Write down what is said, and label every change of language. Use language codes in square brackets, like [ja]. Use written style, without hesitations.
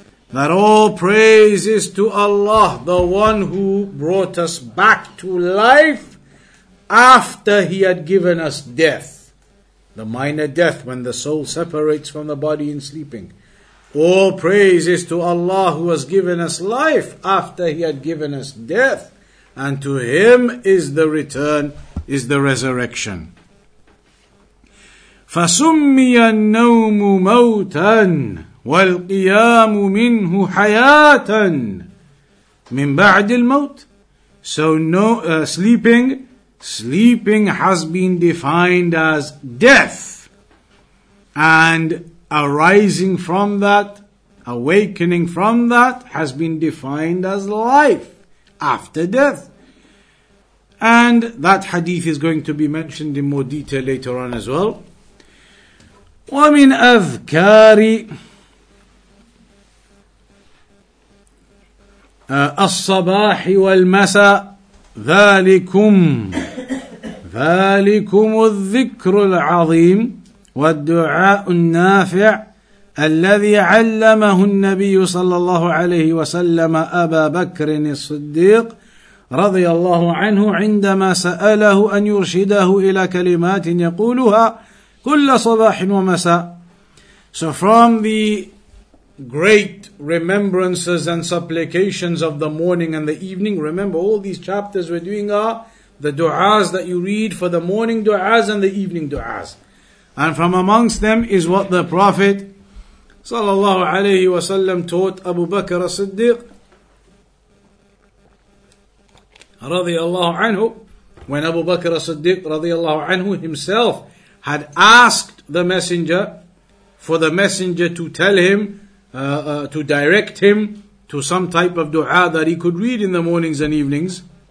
[en] That all praise is to Allah, the one who brought us back to life after he had given us death. The minor death when the soul separates from the body in sleeping. All praise is to Allah who has given us life after he had given us death. And to him is the return, is the resurrection. [ar] فَسُمِّيَ النَّوْمُ مَوْتًا والقيام منه حياة من بعد الموت. [en] So sleeping has been defined as death, and arising from that, awakening from that, has been defined as life after death. And that hadith is going to be mentioned in more detail later on as well. [ar] ومن أذكاري الصباح والمساء ذلكم الذكر العظيم والدعاء النافع الذي علمه النبي صلى الله عليه وسلم أبا بكر الصديق رضي الله عنه عندما سأله أن يرشده إلى كلمات يقولها كل صباح ومساء. [en] So from the great remembrances and supplications of the morning and the evening. Remember, all these chapters we're doing are the du'as that you read for the morning du'as and the evening du'as. And from amongst them is what the Prophet sallallahu alayhi wa sallam taught Abu Bakr as-Siddiq radiyallahu anhu, when Abu Bakr as-Siddiq radiyallahu anhu himself had asked the messenger for the messenger to tell him, to direct him to some type of dua that he could read in the mornings and evenings.